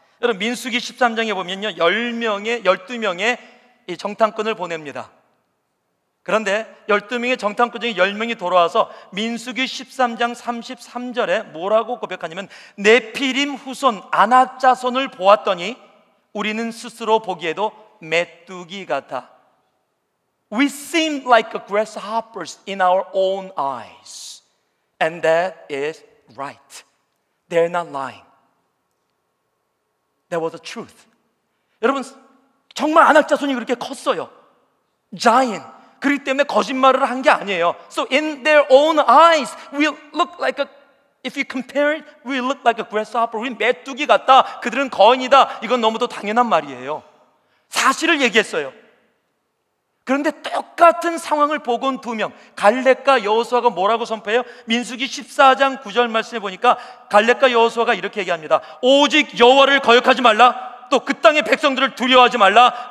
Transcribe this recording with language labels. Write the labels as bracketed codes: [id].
[ko] 여러분, 민수기 13장에 보면요, 12명의 이 정탐꾼을 보냅니다. 그런데 12명의 정탐꾼 중에 10명이 돌아와서 민수기 13장 33절에 뭐라고 고백하냐면, 네피림 후손, 아낙 자손을 보았더니 우리는 스스로 보기에도 메뚜기 같아. [en] We seem like a grasshoppers in our own eyes. And that is right. They're not lying. That was the truth. [ko] 여러분, 정말 아낙자손이 그렇게 컸어요. [en] Giant. [ko] 그렇기 때문에 거짓말을 한 게 아니에요. [en] So in their own eyes, we look like a, if you compare it, we look like a grasshopper. [ko] 우린 메뚜기 같다. 그들은 거인이다. 이건 너무도 당연한 말이에요. 사실을 얘기했어요. 그런데 똑같은 상황을 보고 온 두 명, 갈렙과 여호수아가 뭐라고 선포해요? 민수기 14장 9절 말씀에 보니까 갈렙과 여호수아가 이렇게 얘기합니다. 오직 여호와를 거역하지 말라. 또 그 땅의 백성들을 두려워하지 말라.